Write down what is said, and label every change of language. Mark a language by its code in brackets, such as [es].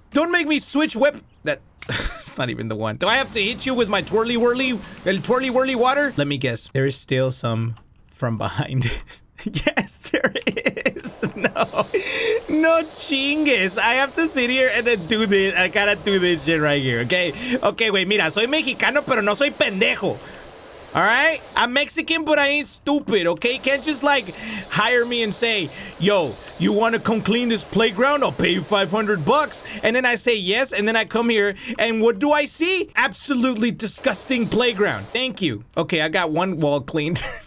[en] Don't make me switch it's not even the one. Do I have to hit you with my twirly-whirly water? Let me guess. There is still some from behind. Yes, there is. [es] No chingues. [en] I have to sit here and then do this. I gotta do this shit right here, okay? Okay, wait, [es] mira, soy mexicano, pero no soy pendejo. [en] All right? I'm Mexican, but I ain't stupid, okay? You can't just, like, hire me and say, yo, you want to come clean this playground? I'll pay you 500 bucks. And then I say yes, and then I come here, and what do I see? Absolutely disgusting playground. Thank you. Okay, I got one wall cleaned.